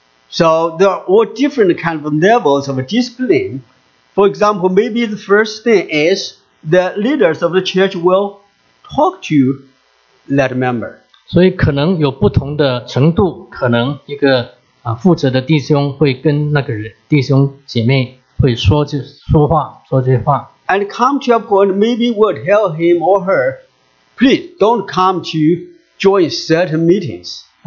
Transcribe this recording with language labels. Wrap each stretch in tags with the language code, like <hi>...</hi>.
<en>So there are all different kinds of levels of discipline. For example, maybe the first thing is the leaders of the church will talk to that member.</en> <zh>所以可能有不同的程度，可能一个负责的弟兄会跟那个弟兄姐妹。会说这话。</zh> <en>And come to a point, maybe we'll tell him or her, please don't come to join certain meetings.</en>